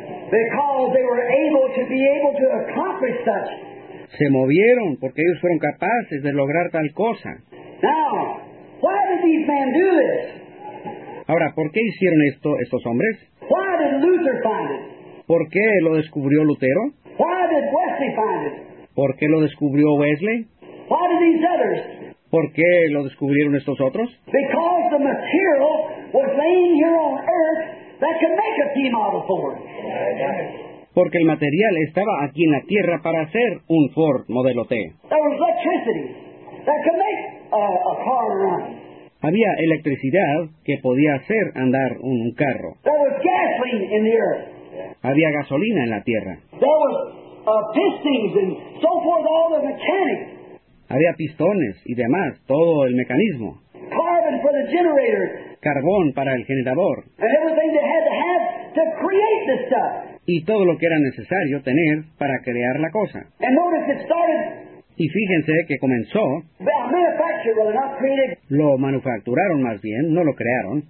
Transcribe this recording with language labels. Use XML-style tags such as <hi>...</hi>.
<en>Because they were able to be able to accomplish such.</en> <es>Se movieron porque ellos fueron capaces de lograr tal cosa.</es> <en>Now, why did these men do this?</en> <es>Ahora, ¿por qué hicieron esto estos hombres?</es> <en>Why did Luther find it?</en> <es>¿Por qué lo descubrió Lutero?</es> <en>Why did Wesley find it?</en> <es>¿Por qué lo descubrió Wesley?</es> <en>Why did these others?</en> <es>¿Por qué lo descubrieron estos otros?</es> <en>Because the material was laying here on earth. That could make a key model Ford.</en> <es>Porque el material estaba aquí en la tierra para hacer un Ford modelo T.</es> <en>There was electricity that could make a car run.</en> <es>Había electricidad que podía hacer andar un carro.</es> <en>There was gasoline in the earth.</en> <es>Había gasolina en la tierra.</es> <en>There was pistons and so forth, all the mechanics.</en> <es>Había pistones y demás, todo el mecanismo.</es> <en>Carbon for the generator.</en> <es>Carbón para el generador.</es> <en>And everything they had to have to create this stuff.</en> <es>Y todo lo que era necesario tener para crear la cosa.</es> <en>And notice it started.</en> <es>Y fíjense que comenzó.</es> <en>Manufactured, well, not created.</en> <es>Lo manufacturaron más bien, no lo crearon.</es>